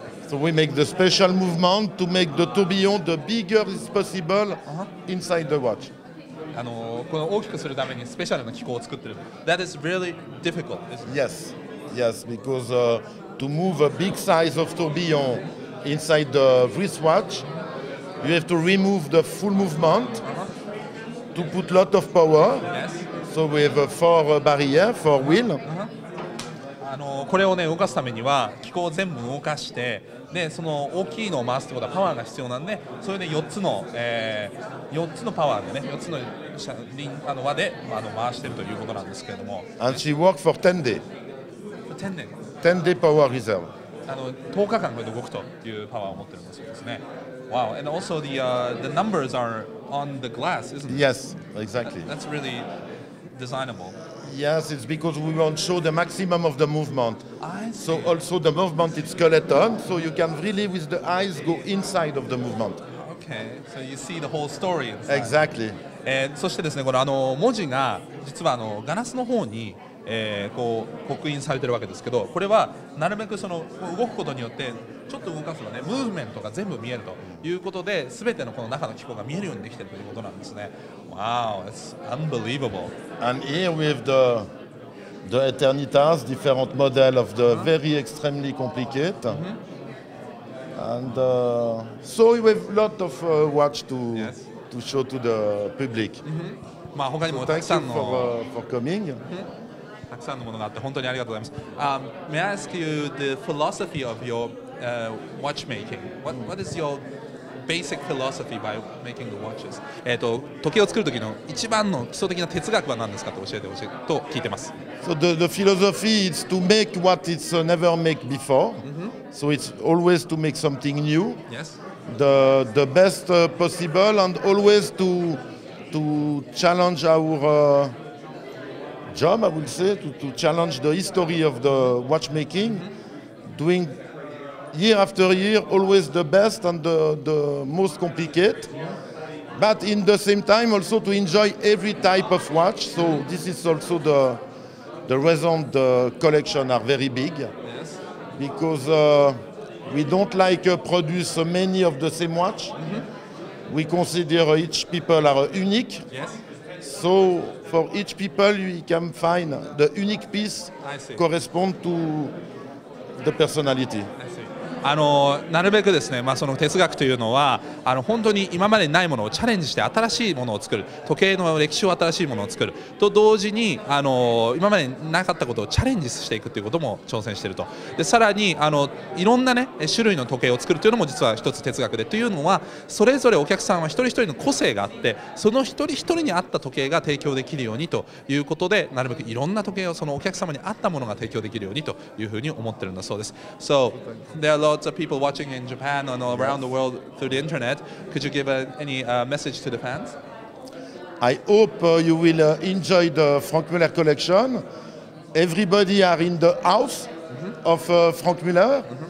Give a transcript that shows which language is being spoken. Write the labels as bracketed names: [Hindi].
[English] So we make the special movement to make the tourbillon the bigger is possible、uh-huh. inside the watch. [Japanese] この大きくするためにスペシャルな機構を作ってる。 [English] That is really difficult, isn't it? Yes. Yes, because. To move a big size of tourbillon inside the wristwatch, you have to remove the full movement、uh-huh. to put lot of power.、 Yes. So we have a four barrier, four wheel.、 Uh-huh. [Japanese] これを、ね、動かすためには機構を全部動かして、でその大きいのを回すってことはパワーが必要なんで、それで4つの、4つのパワーでね、4つの車輪あの輪で、まあ、の回してるということなんですけれども。 [English] And she worked for 10 days 10 day power reserve、 [Japanese] 10日間これで動くというパワーを持ってるんですね。 [English] Wow, and also the numbers are on the glass, isn't it? Yes, exactly. That's really designable. Yes, it's because we want to show the maximum of the movement. I see. So also the movement is skeleton, so you can really with the eyes go inside of the movement. Okay, so you see the whole story inside. Exactly. [Japanese] そしてですね、これ文字が実はガラスの方に、こう刻印されてるわけですけど、これはなるべくその動くことによってちょっと動かすとね、ムーブメントが全部見えるということで、全てのこの中の機構が見えるようにできているということなんですね。 [English] Wow, it's unbelievable. And here we have the Eternitas, different model of the very extremely complicated. And so we have a lot of watch to, to show to the public. [Japanese] まあ他にもたくさんの、 [English] so、thank you for coming. [Japanese] たくさんのものがあって本当にありがとうございます。 [English] May I ask you the philosophy of your watchmaking? What is your... basic philosophy by making the watches. [Japanese] 時計を作る時の一番の基礎的な哲学は何ですかと教えてほしいと聞いてます。 [English] So the philosophy is to make what it's never made before. So it's always to make something new. Yes. The best possible and always to challenge our job, I would say, to challenge the history of the watchmaking, doing. Year after year, always the best and the most complicated. But in the same time, also to enjoy every type of watch. So this is also the reason the collection are very big. Yes. Because we don't like to produce many of the same watch. We consider each people are unique. Yes. So for each people, we can find the unique piece correspond to the personality. [Japanese] なるべくですね、まあ、その哲学というのは本当に今までにないものをチャレンジして新しいものを作る、時計の歴史を新しいものを作ると同時に今までになかったことをチャレンジしていくということも挑戦していると。でさらにいろんな、ね、種類の時計を作るというのも実は一つ哲学で、というのはそれぞれお客さんは一人一人の個性があって、その一人一人に合った時計が提供できるようにということで、なるべくいろんな時計をそのお客様に合ったものが提供できるようにというふうに思っているんだそうです。 [English] So there are lots of people watching in Japan and around the world through the internet. Could you give any message to the fans? I hope you will enjoy the Frank Muller collection. Everybody are in the house of Frank Muller.